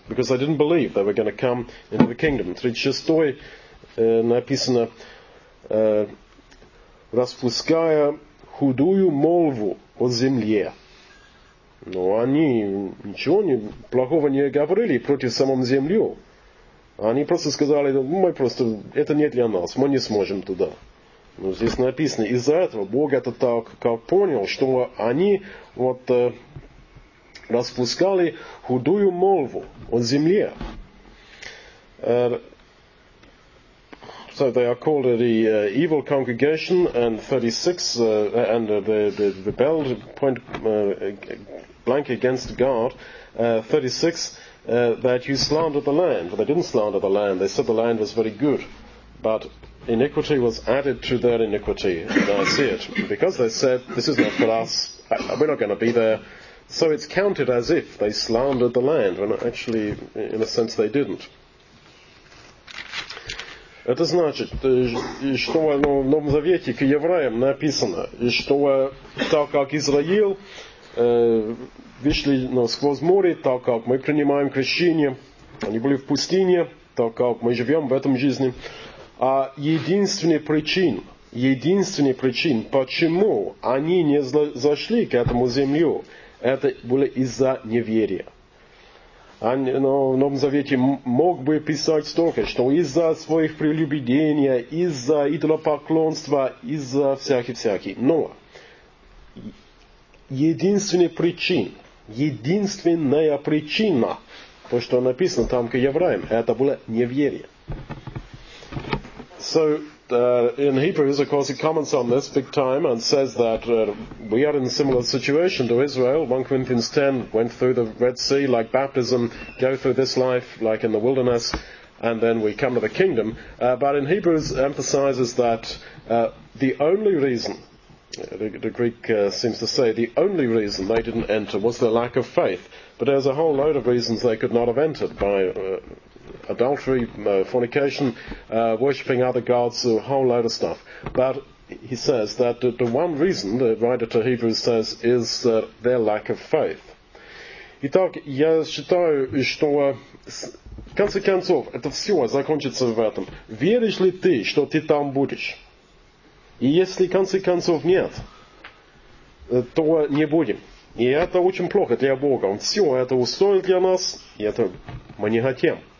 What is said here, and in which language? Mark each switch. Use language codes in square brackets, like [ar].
[en] Because I didn't believe they were going to come into the kingdom. [ru] 36 написано, распуская худую молву о земле. Но они ничего плохого не говорили против самой земли. Они просто сказали, мы просто, это не для нас, мы не сможем туда. Но здесь написано, из-за этого Бог это так как понял, что они вот распускали худую молву о земле. [en] So they are called the evil congregation, and 36, and the rebelled point blank against God, 36, that you slander the land. But they didn't slander the land. They said the land was very good. But iniquity was added to their iniquity, and I see it. Because they said, this is not for us, we're not going to be there. So it's counted as if they slandered the land, when actually, in a sense, they didn't. [ru] Это значит, что ну, в Новом Завете к евреям написано, что так как Израил вышли ну, сквозь море, так как мы принимаем крещение, они были в пустыне, так как мы живем в этом жизни. А единственная причина, почему они не зашли к этому землю, это было из-за неверия. Они, ну, в Новом Завете мог бы писать столько, что из-за своих прелюбедений, из-за идолопоклонства, из-за всяких-всяких. Но единственная причина, то, что написано там к евреям, это было неверие. [en] So, in Hebrews, of course, it comments on this big time and says that we are in a similar situation to Israel. 1 Corinthians 10 went through the Red Sea like baptism, go through this life like in the wilderness, and then we come to the kingdom. But in Hebrews, it emphasizes that the only reason, the Greek seems to say, the only reason they didn't enter was their lack of faith. But there's a whole load of reasons they could not have entered by adultery, fornication, worshipping other gods, a whole load of stuff. But he says that the one reason, the writer to Hebrews says, is their lack of faith. [ru] Итак, я считаю, что, в конце концов, это все закончится в этом. Веришь ли ты, что ты там будешь? И если, в конце концов, нет, то не будем. И это очень плохо для Бога. Он все это устроил для нас, и это мы не хотим.